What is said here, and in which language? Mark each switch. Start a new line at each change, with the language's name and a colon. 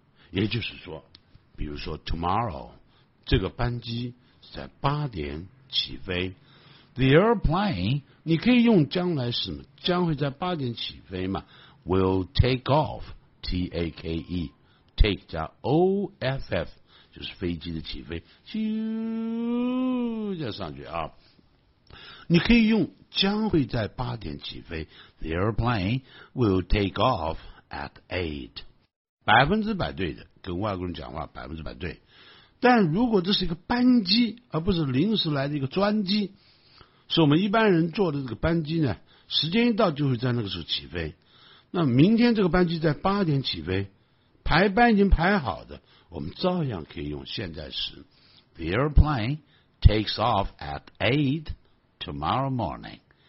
Chinese: 也就是说，比如说 tomorrow 这个班机在8点起飞 ，
English: the airplane
Chinese: 你可以用将来时嘛，将会在8点起飞嘛 ，
English: will take off
Chinese: t a k e take 加 o f f 就是飞机的起飞，咻就上去啊。你可以用将会在8点起飞 ，
English: the airplane will take off at 8。
Chinese: 100%对的，跟外国人讲话100%对。但如果这是一个班机，而不是临时来的一个专机，是我们一般人坐的这个班机呢，时间一到就会在那个时候起飞。那明天这个班机在8点起飞，排班已经排好的，我们照样可以用现在时 ，
English: The airplane takes off at 8 tomorrow morning。